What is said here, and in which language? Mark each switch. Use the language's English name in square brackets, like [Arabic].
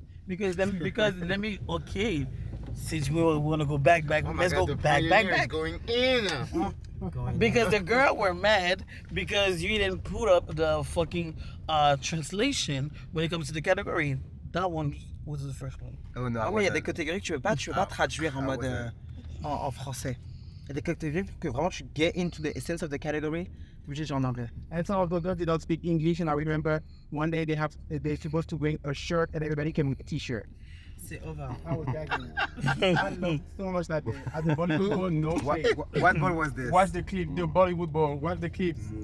[English] Because let me. Okay, since we want to go back, let's go back. Going in. Because the girl were mad because you didn't put up the fucking translation when it comes to the category. That one. What was the first one? Oh no. [French] Ah oui, il y a des catégories que tu peux pas traduire en mode en français. Il y a des catégories que vraiment tu [English] get into the essence of the category, which is [French] en anglais. [English] And some of the girls, they don't speak English, and I remember one day they're supposed to wear a shirt and everybody came with a t-shirt. [French] C'est over. [English] I was gagging. I love so much that day. At the Bollywood ball, no way. What ball was this? Watch the clip, the Bollywood ball. Watch the clip.